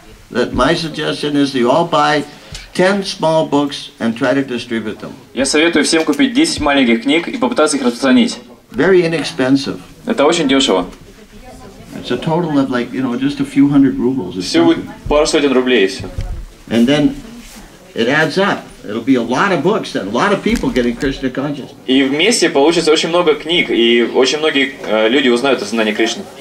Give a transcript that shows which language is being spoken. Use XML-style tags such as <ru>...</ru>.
<en>That my suggestion is you all buy 10 small books and try to distribute them.</en> <ru>Я советую всем купить 10 маленьких книг и попытаться их распространить.</ru> <en>Very inexpensive.</en> <ru>Это очень дешево.</ru> <en>It's a total of like, you know, just a few hundred rubles.</en> <ru>Всего будет пару сотен рублей, и все.</ru> <en>And then it adds up. It'll be a lot of books and a lot of people getting Krishna consciousness.</en> <ru>И вместе получится очень много книг, и очень многие люди узнают о сознании Кришны.</ru>